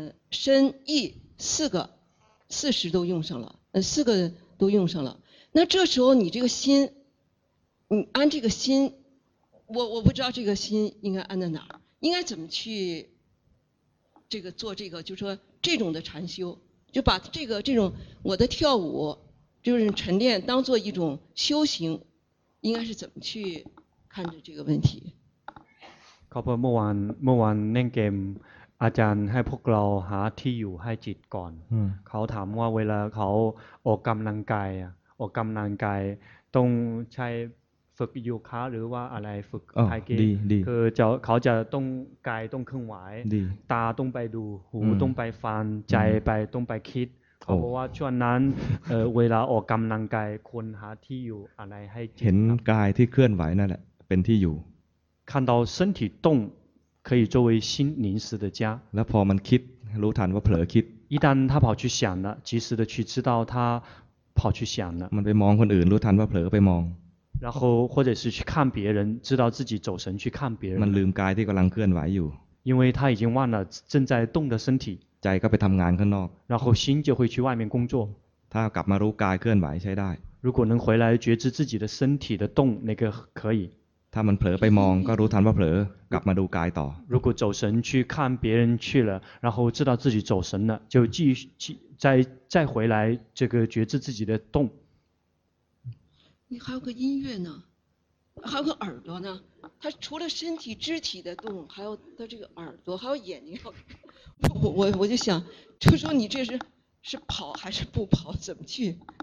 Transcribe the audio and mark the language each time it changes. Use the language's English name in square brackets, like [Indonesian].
[Chinese] 身意四十都用上了四个都用上了那这时候你这个心你安这个心我不知道这个心应该安在哪应该怎么去这个做这个就是说这种的禅修就把这种我的跳舞就是晨练当做一种修行应该是怎么去看着这个问题 [Thai] ขอบคุณเมื่อวานเล่นเกมอาจารย์ให้พวกเราหาที่อยู่ให้จิตก่อนเขาถามว่าเวลาเขาออกกำลังกายออกกำลังกายต้องใช้ฝึกโยคะหรือว่าอะไรฝึกไ ทเกะ คือจะเขาจะต้องกายต้องเคลื่อนไหวตาต้องไปดูหูต้องไปฟังใจไปต้องไปคิดเพราะว่าช่วงนั้นเวลาออกกำลังกายควรหาที่อยู่อะไรให้จิตเห็นกายที่เคลื่อนไหวนั่นแหละเป็นที่อยู่ [Chinese] 看到身体动可以作为心临时的家 [Thai] แล้วพอมันคิดรู้ทันว่าเผลอคิด [Chinese] 一旦他跑去想了，及时的去知道他跑去想了。 [Thai] มันไปมองคนอื่นรู้ทันว่าเผลอไปมอง。 [Chinese] 然后或者是去看别人，知道自己走神去看别人。 [Thai] มันลืมกายที่กำลังเคลื่อนไหวอยู่。 [Chinese] 因为他已经忘了正在动的身体。 [Thai] ใจก็ไปทำงานข้างนอก。 [Chinese] 然后心就会去外面工作。 [Thai] ถ้ากลับมารู้กายเคลื่อนไหวใช้ได้。 [Chinese] 如果能回来觉知自己的身体的动，那个可以。 [Thai] ถ้ามันเผลอไปมองก็รู้ทันว่าเผลอกลับมาดูกายต่อ [Chinese] 如果走神去看别人去了然后知道自己走神了就继续再回来这个觉知自己的动你还有个音乐呢还有个耳朵呢他除了身体肢体的动还有他这个耳朵还有眼睛我就想就说你这是跑还是不跑怎么去